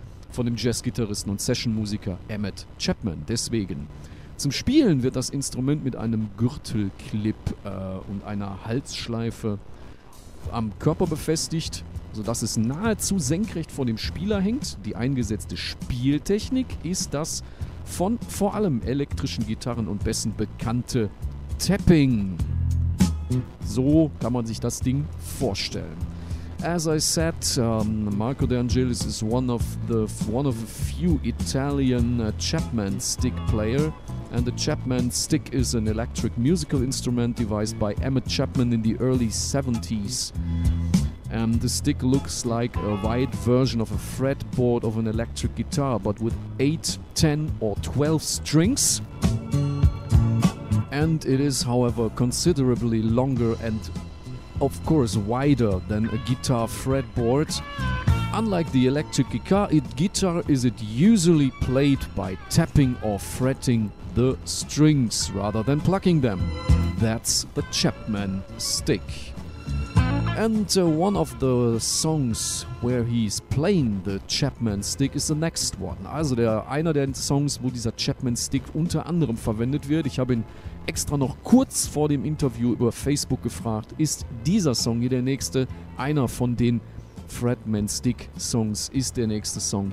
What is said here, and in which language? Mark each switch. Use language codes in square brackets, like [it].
[de] Von dem Jazzgitarristen und Sessionmusiker Emmett Chapman. Deswegen, zum Spielen wird das Instrument mit einem Gürtelclip und einer Halsschleife am Körper befestigt, sodass es nahezu senkrecht vor dem Spieler hängt. Die eingesetzte Spieltechnik ist das von vor allem elektrischen Gitarren und Bässen bekannte Tapping. So kann man sich das Ding vorstellen. [en] As I said, Marco De Angelis is one of the few Italian Chapman stick player, and the Chapman stick is an electric musical instrument devised by Emmett Chapman in the early 70s. And the stick looks like a wide version of a fretboard of an electric guitar, but with 8, 10 or 12 strings. And it is, however, considerably longer and of course wider than a guitar fretboard. Unlike the electric guitar, is it usually played by tapping or fretting the strings rather than plucking them. That's the Chapman stick. And one of the songs where he's playing the Chapman stick is the next one. [de] Also einer der Songs, wo dieser Chapman stick unter anderem verwendet wird. Ich habe ihn extra noch kurz vor dem Interview über Facebook gefragt, ist dieser Song hier der nächste? Einer von den Fretman Stick Songs ist der nächste Song.